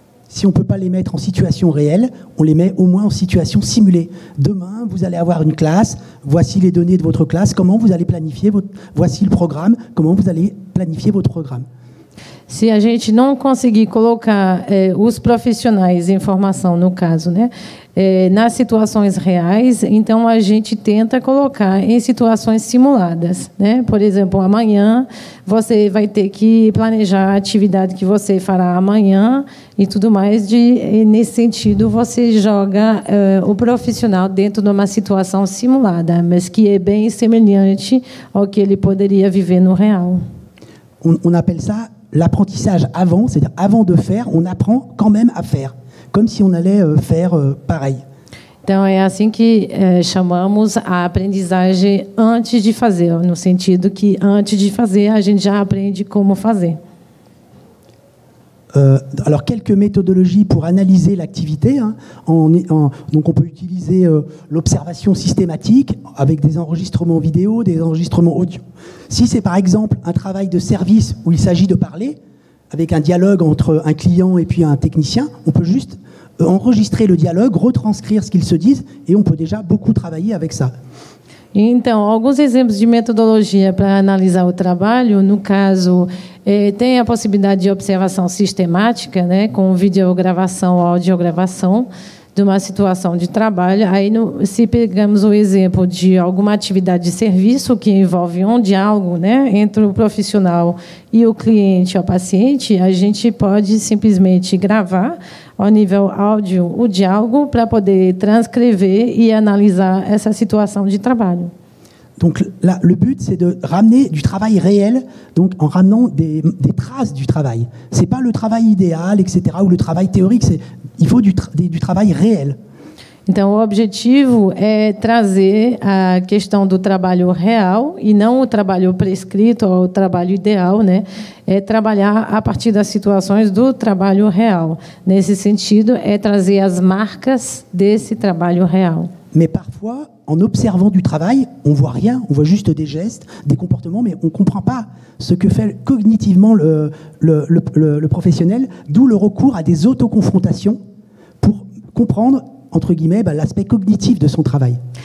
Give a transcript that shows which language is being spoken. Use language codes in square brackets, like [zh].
[fr] Si on ne peut pas les mettre en situation réelle, on les met au moins en situation simulée. Demain, vous allez avoir une classe, voici les données de votre classe, comment vous allez planifier voici le programme, comment vous allez planifier votre programme. [pt] Se a gente não conseguir colocar os profissionais em formação, no caso, né, nas situações reais, então a gente tenta colocar em situações simuladas, né? Por exemplo, amanhã você vai ter que planejar a atividade que você fará amanhã e tudo mais. Nesse sentido, você joga o profissional dentro de uma situação simulada, mas que é bem semelhante ao que ele poderia viver no real. [fr] On appelle ça l'apprentissage avant, c'est-à-dire avant de faire, on apprend quand même à faire, comme si on allait faire pareil. [pt] Então, é assim que chamamos a aprendizagem antes de fazer, no sentido que antes de fazer, a gente já aprende como fazer. [fr] Alors, quelques méthodologies pour analyser l'activité. Donc, on peut utiliser l'observation systématique avec des enregistrements vidéo, des enregistrements audio. Si c'est, par exemple, un travail de service où il s'agit de parler, avec un dialogue entre un client et puis un technicien, on peut juste enregistrer le dialogue, retranscrire ce qu'ils se disent, et on peut déjà beaucoup travailler avec ça. [pt] Então, alguns exemplos de metodologia para analisar o trabalho, no caso, tem a possibilidade de observação sistemática, né, com videogravação ou audiogravação de uma situação de trabalho. Aí, se pegamos o exemplo de alguma atividade de serviço que envolve um diálogo, né, entre o profissional e o cliente ou paciente, a gente pode simplesmente gravar ao nível áudio o diálogo para poder transcrever e analisar essa situação de trabalho. [fr] Donc là, le but, c'est de ramener du travail réel, donc en ramenant des traces du travail. Ce n'est pas le travail idéal, etc., ou le travail théorique, il faut du travail réel. [pt] Então, o objetivo é trazer a questão do trabalho real e não o trabalho prescrito ou o trabalho ideal, né? É trabalhar a partir das situações do trabalho real. Nesse sentido, é trazer as marcas desse trabalho real. [fr] Mas, parfois, en observant du travail, on voit rien, on voit juste des gestes, des comportements, mais on comprend pas ce que fait cognitivement le professionnel, d'où le recours à des autoconfrontations pour comprendre, entre guillemets, l'aspect cognitif de son travail.